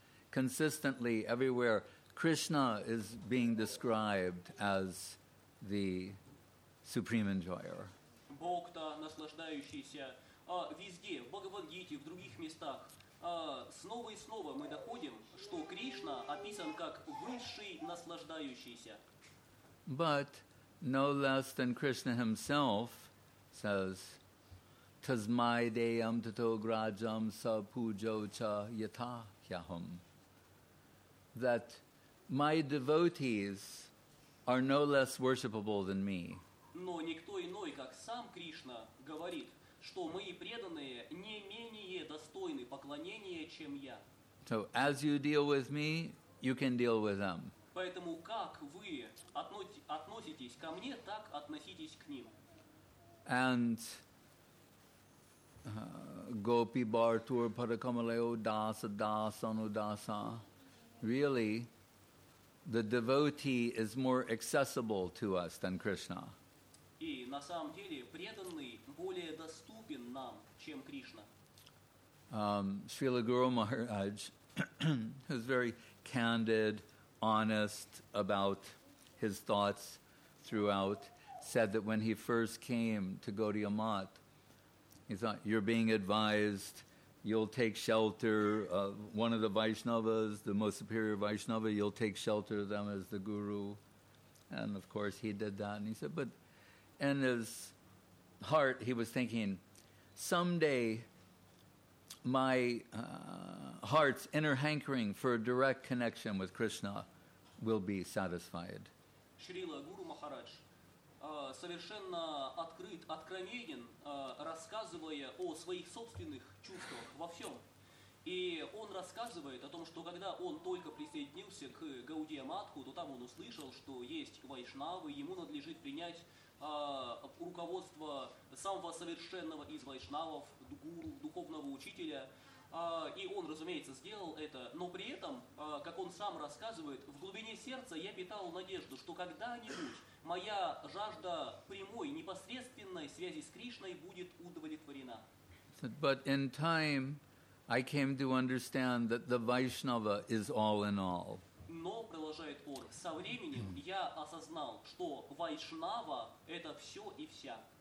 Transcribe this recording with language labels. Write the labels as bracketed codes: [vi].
[en] Consistently, everywhere, Krishna is being described as the supreme enjoyer. [ru] Бхокта, наслаждающийся везде, в Бхагавад-гите, в других местах, снова и снова мы находим, что Кришна описан как высший наслаждающийся. [en] But no less than Krishna himself says, [sa] Tasmai deyam tato grajam sa pujo cha yata hyaham. [en] That my devotees are no less worshipable than me. [ru] Но никто иной, как сам Кришна, говорит, что мои преданные не менее достойны поклонения, чем я. [en] So as you deal with me, you can deal with them. [ru] Поэтому как вы относитесь ко мне, так относитесь к ним. [sa] And Gopi Bhartur Padakamaleo Dasa Dasanudasa. [en] Really, the devotee is more accessible to us than Krishna. [ru] И на самом деле преданный более доступен нам, чем Кришна. [en] Srila Guru Maharaj, who's very candid, honest about his thoughts throughout, said that when he first came to Gaudiya Math, he thought, "You're being advised. You'll take shelter of one of the Vaishnavas, the most superior Vaishnava, you'll take shelter of them as the guru." And of course he did that. And he said, but in his heart he was thinking, someday my heart's inner hankering for a direct connection with Krishna will be satisfied. [ru] Shrila Guru Maharaj совершенно открыт, откровенен, рассказывая о своих собственных чувствах во всем. И он рассказывает о том, что когда он только присоединился к Гаудия Матху, то там он услышал, что есть вайшнавы, ему надлежит принять руководство самого совершенного из вайшнавов, гуру, духовного учителя. И он, разумеется, сделал это, но при этом, как он сам рассказывает, в глубине сердца я питал надежду, что когда-нибудь моя жажда прямой, непосредственной связи с Кришной будет удовлетворена. [en] But in time, I came to understand that the Vaishnava is all in all. [ru] Но, продолжает он, со временем я осознал, что Вайшнава – это все и вся.